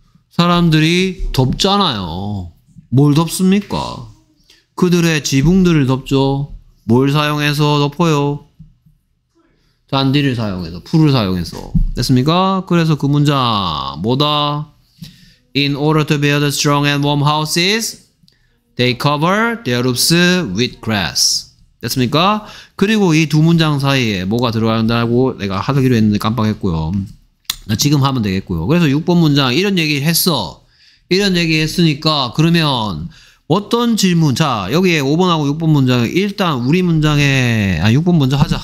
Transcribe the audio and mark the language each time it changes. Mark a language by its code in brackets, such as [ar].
[ko] 사람들이 덮잖아요. 뭘 덮습니까? 그들의 지붕들을 덮죠. 뭘 사용해서 덮어요? 잔디를 사용해서, 풀을 사용해서. 됐습니까? 그래서 그 문장 뭐다? [en] In order to build strong and warm houses, they cover their roofs with grass. [ko] 됐습니까? 그리고 이 두 문장 사이에 뭐가 들어간다고 내가 하기로 했는데 깜빡했고요. 나 지금 하면 되겠고요. 그래서 6번 문장 이런 얘기 했어. 이런 얘기 했으니까 그러면 어떤 질문. 자, 여기에 5번하고 6번 문장 일단 우리 문장에, 아 6번 먼저 하자.